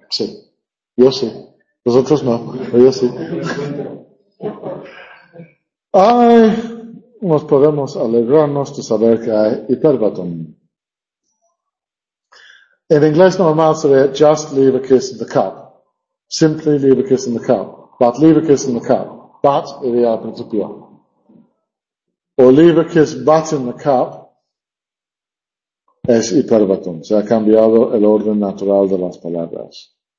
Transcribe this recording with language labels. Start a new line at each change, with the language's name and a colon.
Spanish: Sí, yo sí. Nosotros no, pero yo sí. Ay, nos podemos alegrarnos de saber que hay hiperbaton. En inglés normal sería
English: just leave a kiss in the cup. Simply leave a kiss in the cup. But leave a kiss in the cup. But
Spanish: iría al principio.
English: Or leave a kiss but in the cup.
Spanish: Es hiperbaton. Se ha cambiado el orden natural de las palabras.